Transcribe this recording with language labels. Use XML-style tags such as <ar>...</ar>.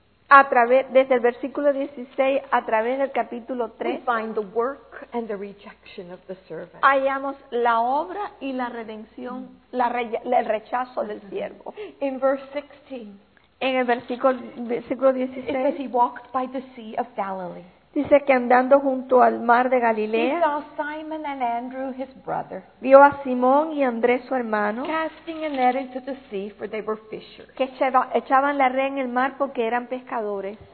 <es>A través, desde el versículo 16 a través del capítulo 3.</es> <en>We find the work and the rejection of the servant.</en> <es>Hallamos la obra y la redención, el rechazo del siervo.</es> <en>In verse 16.</en> <es>En el versículo 16.</es> <en>It says he walked by the Sea of Galilee.</en> <es>Dice que andando junto al mar de Galilea,</es> <en>he saw Simon and Andrew, his brother,</en> <es>vio a Simón y Andrés su hermano,</es> <en>casting a net into the sea, for they were fishers.</en> <es>Que echaban la red en el mar porque eran pescadores.</es>